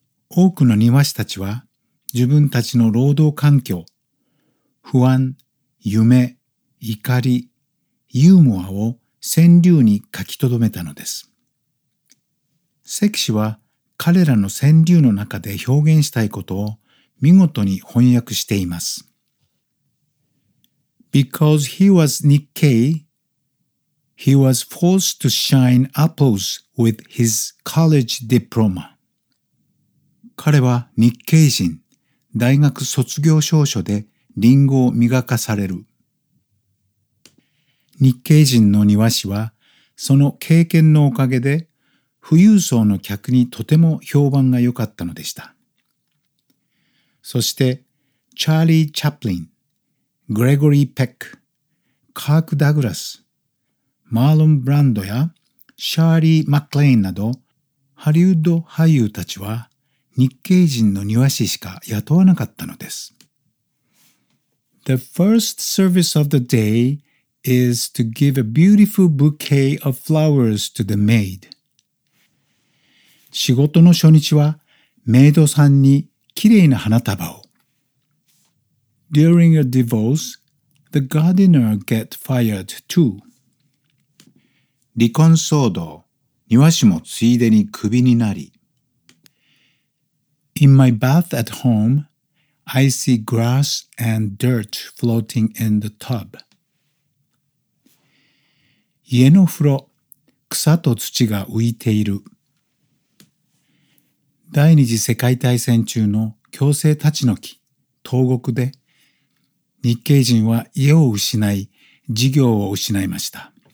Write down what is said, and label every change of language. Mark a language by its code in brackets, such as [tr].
[ja] 多くの庭師たちは自分たちの労働環境、不安、夢、怒り、ユーモアを川柳に書き留めたのです。関氏は彼らの川柳の中で表現したいことを見事に翻訳しています。 [en] Because he was Nikkei, he was forced to shine apples with his college diploma. [ja] 彼は日系人、大学卒業証書でリンゴを磨かされる。日系人の庭師は、その経験のおかげで、富裕層の客にとても評判が良かったのでした。そして、チャーリー・チャプリン、グレゴリー・ペック、カーク・ダグラス、マーロン・ブランドやシャーリー・マックレインなど、ハリウッド俳優たちは日系人の庭師しか雇わなかったのです。 [en] The first service of the day is to give a beautiful bouquet of flowers to the maid. [ja] 仕事の初日はメイドさんにきれいな花束を。 [en] During a divorce, the gardener get fired too. [ja] 離婚騒動、庭師もついでにクビになり。 [en] In my bath at home, I see grass and dirt floating in the tub. [ja] 家の風呂、草と土が浮いている。第二次世界大戦中の強制立ち退き、投獄で、日系人は家を失い、事業を失いました。